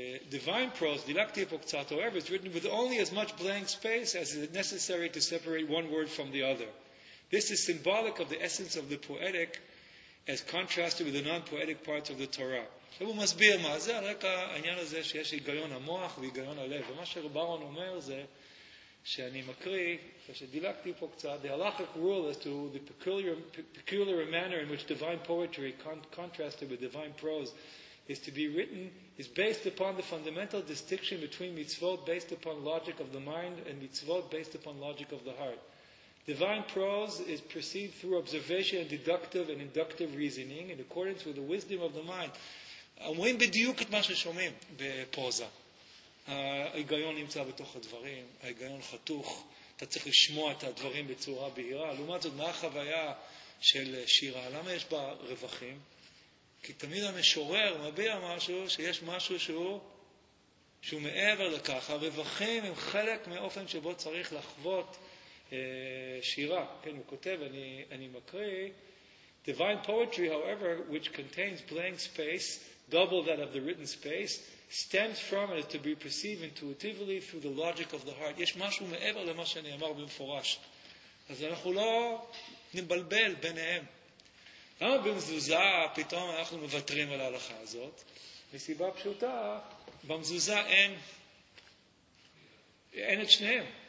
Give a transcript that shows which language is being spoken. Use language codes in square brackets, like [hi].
[en] Divine prose, [he] dilakti poktzat, [en] however, it's written with only as much blank space as is necessary to separate one word from the other. This is symbolic of the essence of the poetic as contrasted with the non-poetic parts of the Torah. [he] עכשיו הוא מסביר מה זה, על רקע העניין הזה שיש היגיון המוח והיגיון הלב. ומה שברון אומר זה, שאני מקריא, שדילקתי פה קצת, [en] the halachic rule as to the peculiar manner in which divine poetry contrasted with divine prose is to be written, is based upon the fundamental distinction between mitzvot based upon logic of the mind and mitzvot based upon logic of the heart. Divine prose is perceived through observation and deductive and inductive reasoning in accordance with the wisdom of the mind. [he] אומרים בדיוק את מה ששומעים בפרוזה. ההיגיון נמצא בתוך הדברים, ההיגיון חתוך, אתה צריך לשמוע את הדברים בצורה בהירה. לעומת זאת, מה החוויה של שירה? למה יש בה רווחים? כי תמיד המשורר מביע משהו שיש משהו שהוא מעבר לכך. הרווחים הם חלק מאופן שבו צריך לחוות שירה. כן, הוא כותב, אני מקריא, [en] Divine poetry, however, which contains blank space, double that of the written space, stems from it to be perceived intuitively through the logic of the heart. [he] יש משהו מעבר למה שאני אמר במפורש. אז אנחנו לא נבלבל ביניהם. למה במזוזה פתאום אנחנו מבטרים על ההלכה הזאת? מסיבה פשוטה, במזוזה אין את שניהם.